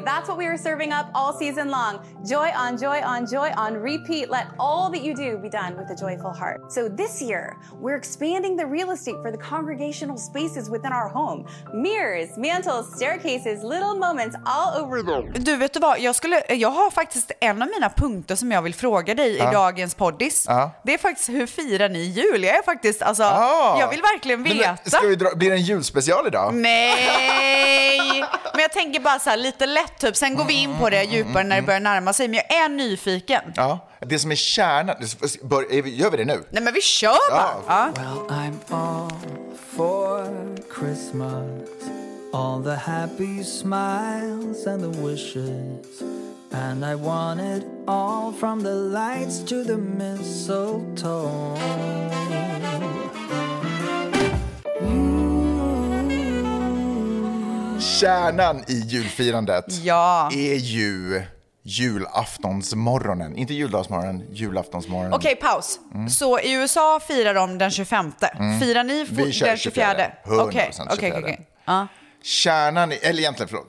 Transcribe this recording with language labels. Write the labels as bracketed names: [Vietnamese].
[English] That's what we are serving up all season long. Joy on, joy on, joy on repeat. Let all that you do be done with a joyful heart. So this year, we're expanding the real estate for the congregational spaces within our home. Mirrors, mantles, staircases, little moments all over them. [Swedish] Du, vet du vad? Jag har faktiskt en av mina punkter som jag vill fråga dig i dagens poddis. Det är faktiskt, hur firar ni jul? Jag är faktiskt, alltså, jag vill verkligen veta. Men, ska vi dra, blir det en julspecial idag? Nej! Men jag tänker bara så här, lite lätt typ. Sen går vi in på det djupare när det börjar närma sig. Men jag är nyfiken. Ja, det som är kärnan. Gör vi det nu? Nej, men vi kör bara. Ja. [English] Well, I'm all for Christmas. All the happy smiles and the wishes. And I want it all from the lights to the mistletoe. [Swedish] Kärnan i julfirandet är ju julaftonsmorgonen. Inte juldagsmorgonen, julaftonsmorgonen. Okej, paus. Så i USA firar de den 25. Firar ni den 24? 100% 24.